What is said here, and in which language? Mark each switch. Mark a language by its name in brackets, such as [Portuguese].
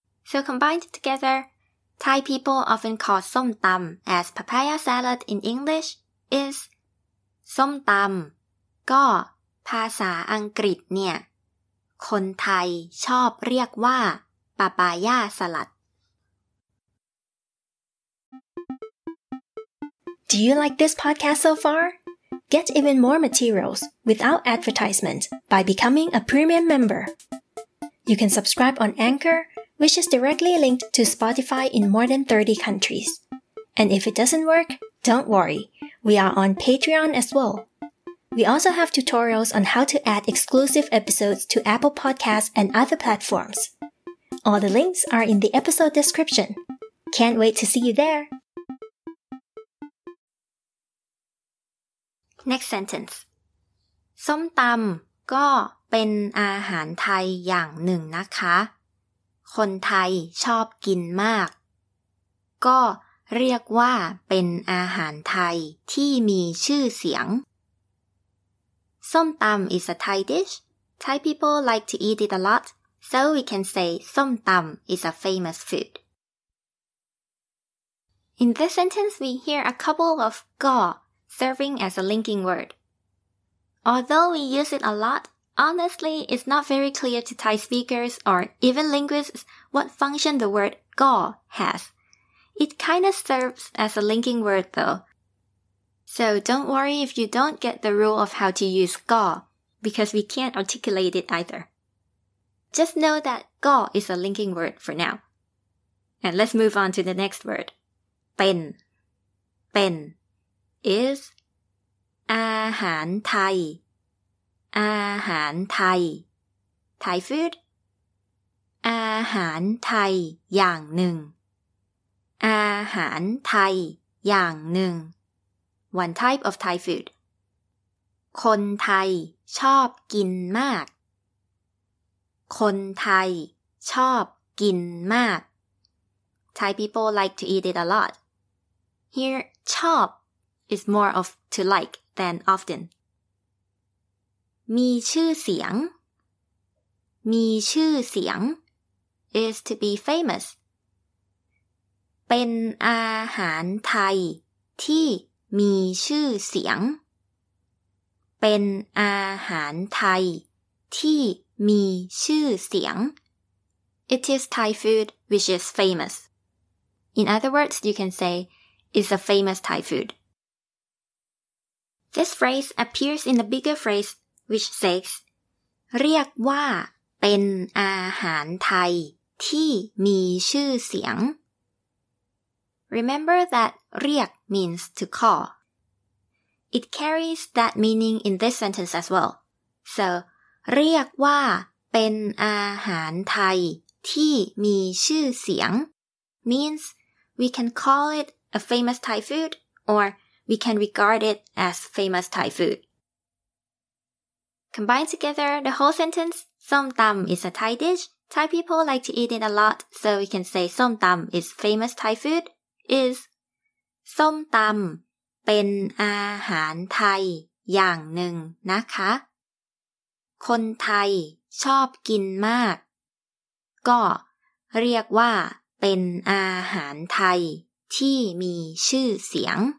[English] So combined together, Thai people often call ส้มตำ as papaya salad in English is [Thai] ส้มตำก็ภาษาอังกฤษเนี่ยคนไทยชอบเรียกว่าปาปายาสลัด [English] Do you like this podcast so far? Get even more materials without advertisement by becoming a premium member. You can subscribe on Anchor, which is directly linked to Spotify in more than 30 countries. And if it doesn't work, don't worry. We are on Patreon as well. We also have tutorials on how to add exclusive episodes to Apple Podcasts and other platforms. All the links are in the episode description. Can't wait to see you there! Next sentence. [Thai] ส้มตำก็เป็นอาหารไทยอย่างหนึ่งนะคะคนไทยชอบกินมากก็เรียกว่าเป็นอาหารไทยที่มีชื่อเสียงส้มตำ [English] is a Thai dish. Thai people like to eat it a lot, so we can say ส้มตำ is a famous food. In this sentence, we hear a couple of ก็ serving as a linking word. Although we use it a lot, honestly, it's not very clear to Thai speakers or even linguists what function the word ก็ has. It kind of serves as a linking word though. So don't worry if you don't get the rule of how to use ก็, because we can't articulate it either. Just know that ก็ is a linking word for now. And let's move on to the next word. [Thai] เป็น. เป็น is อาหารไทย. อาหารไทย. [English] Thai food. [Thai] อาหารไทยอย่างหนึ่ง. อาหารไทยอย่างหนึ่ง. [English] One type of Thai food. [Thai] คนไทยชอบกินมากคนไทยชอบกินมาก [English] Thai people like to eat it a lot. Here, ชอบ is more of to like than often. [Thai] มีชื่อเสียงมีชื่อเสียง [English] is to be famous. [Thai] เป็นอาหารไทยที่มีชื่อเสียงเป็นอาหารไทยที่มีชื่อเสียง [English] It is Thai food which is famous. In other words, you can say, it's a famous Thai food. This phrase appears in the bigger phrase which says, [Thai] เรียกว่าเป็นอาหารไทยที่มีชื่อเสียงRemember [English] that เรียก means to call. It carries that meaning in this sentence as well. So, [Thai] เรียกว่าเป็นอาหารไทยที่มีชื่อเสียง [English] means we can call it a famous Thai food or we can regard it as famous Thai food. Combined together, the whole sentence, 松tam is a Thai dish. Thai people like to eat it a lot, so we can say 松tam is famous Thai food. [Thai] Is ส้มตำเป็นอาหารไทยอย่างหนึ่งนะคะคนไทยชอบกินมากก็เรียกว่าเป็นอาหารไทยที่มีชื่อเสียง